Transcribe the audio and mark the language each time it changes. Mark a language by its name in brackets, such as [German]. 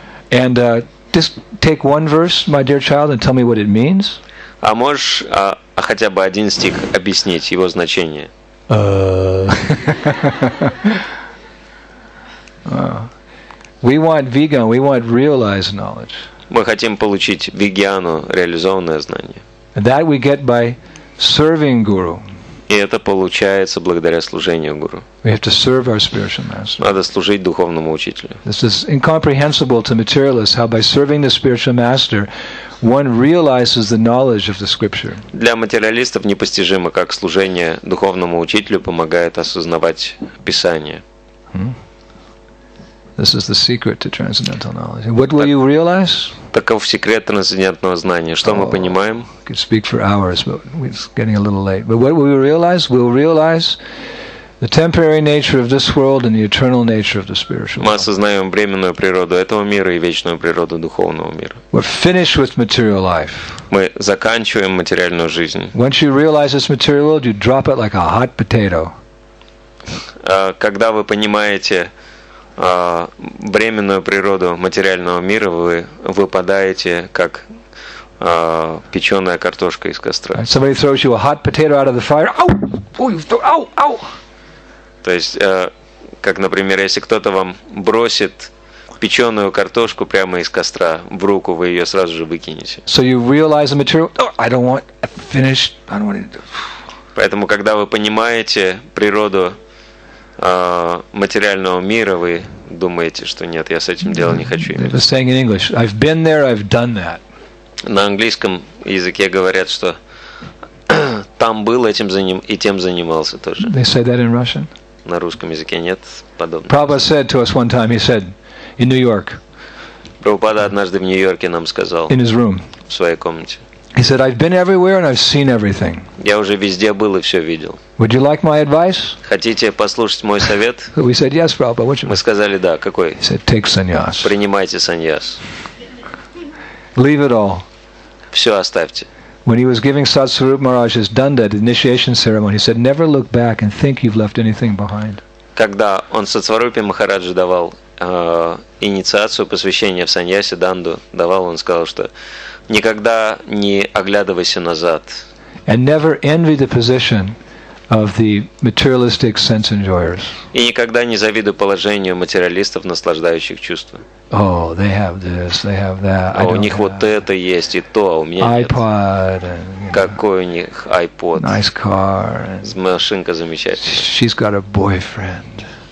[English] And just take one verse, my dear child, and tell me what it means. [Russian] А можешь хотя бы один стих объяснить его значение? [English] We want vegan, we want realized knowledge. [Russian] Мы хотим получить вигьяну, реализованное знание. [English] That we get by serving guru. [Russian] И это получается благодаря служению гуру. [English] We have to serve our spiritual master. [Russian] Надо служить духовному учителю. [English] This is incomprehensible to materialists how by serving the spiritual master one realizes the knowledge of the scripture. [Russian] Для материалистов непостижимо, как служение духовному учителю помогает осознавать Писание. [English] This is the secret to transcendental knowledge. What will you realize? [Russian] Таков секрет трансцендентного знания. Что мы понимаем? [English] I could speak for hours, but it's getting a little late. But what will we realize? We'll realize the temporary nature of this world and the eternal nature of the spiritual world. [Russian] Мы осознаем временную природу этого мира и вечную природу духовного мира. [English] We're finished with material life. [Russian] Мы заканчиваем материальную жизнь. [English] Once you realize this material world, you drop it like a hot potato. [Russian] Когда вы понимаете временную природу материального мира, вы выпадаете как печеная картошка из костра. [English] Somebody throws you a hot potato out of the fire. Ow! [Russian] То есть, как, например, если кто-то вам бросит печеную картошку прямо из костра в руку, вы ее сразу же выкинете. [English] So you realize the material. Oh, I don't want. I finished. I don't want to. [Russian] Поэтому, когда вы понимаете природу материального мира, вы думаете, что нет, я с этим дело не хочу иметь. [English] They're saying in English, I've been there, I've done that. [Russian] На английском языке говорят, что там был этим заним и тем занимался тоже. [English] They say that in Russian? [Russian] На русском языке нет подобного. [English] Prabhupada said to us one time, he said, in New York. [Russian] Прабхупада однажды в Нью-Йорке нам сказал. [English] In his room. [Russian] В своей комнате. [English] He said, I've been everywhere and I've seen everything. [Russian] Я уже везде был и все видел. [English] Would you like my advice? [Russian] Хотите послушать мой совет? [English] We said, yes, Prabhupada. What [Russian] Мы сказали, да. Какой? [English] He said, take sannyas. [Russian] Принимайте sannyas. [English] Leave it all. [Russian] Все оставьте. [English] When he was giving Satsvarupa Maharaj his danda, the initiation ceremony, he said, never look back and think you've left anything behind. [Russian] Когда он Сатсварупе Махараджи давал инициацию, посвящение в саньясе, данду давал, он сказал, что никогда не оглядывайся назад. [English] And never envy the position of the materialistic sense enjoyers. [Russian] И никогда не завидуй положению материалистов, наслаждающих чувства. [English] Oh, they have this, they have that. [Russian] У них вот это есть и то, а у меня [English] iPod And, [Russian] Какой у них iPod? [English] Nice car. [Russian] Машинка замечательная. [English] She's got a boyfriend.